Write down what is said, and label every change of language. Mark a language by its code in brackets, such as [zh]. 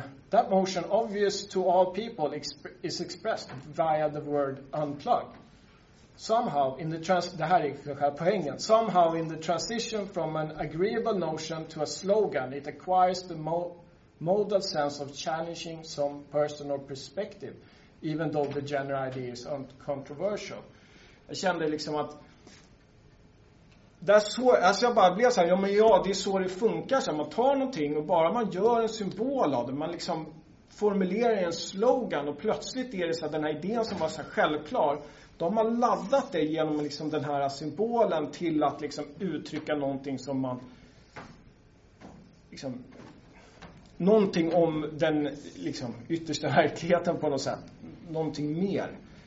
[en] That motion obvious to all people is expressed via the word unplug. Somehow in the [sv] det här är själva poängen. [en] Somehow in the transition from an agreeable notion to a slogan, it acquires the modal sense of challenging some personal perspective, even though the general idea is uncontroversial. [sv] Jag kände liksom att det är så, alltså jag bara blev så här, ja men ja, det är så det funkar, så man tar någonting och bara man gör en symbol av det, man liksom formulerar en slogan och plötsligt är det så här, den här idén som var så här självklar, de har laddat det genom liksom den här symbolen till att liksom uttrycka någonting som man liksom någonting om den liksom yttersta verkligheten på något sätt, någonting mer.